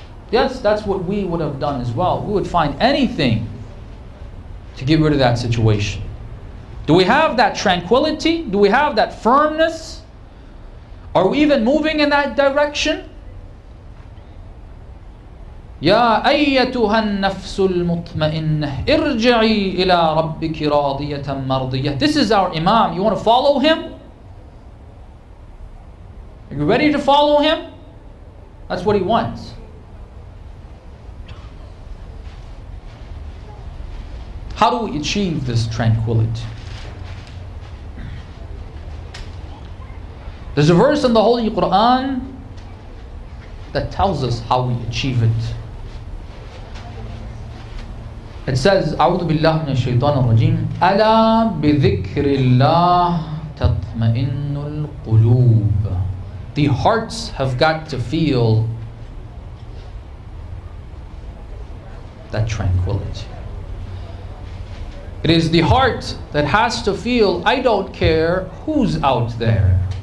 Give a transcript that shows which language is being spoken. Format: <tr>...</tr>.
<en>Yes, that's what we would have done as well. We would find anything to get rid of that situation. Do we have that tranquility? Do we have that firmness? Are we even moving in that direction?</en> <ar>يا أيتها النفس المطمئنة ارجعي إلى ربك راضية مرضية.</ar> <en>This is our Imam. You want to follow him? Are you ready to follow him? That's what he wants. How do we achieve this tranquility? There's a verse in the Holy Quran that tells us how we achieve it. It says,</en> <ar>أعوذ بالله من الشيطان الرجيم ألا بذكر الله تطمئن القلوب.</ar> <en>The hearts have got to feel that tranquility. It is the heart that has to feel, I don't care who's out there.</en>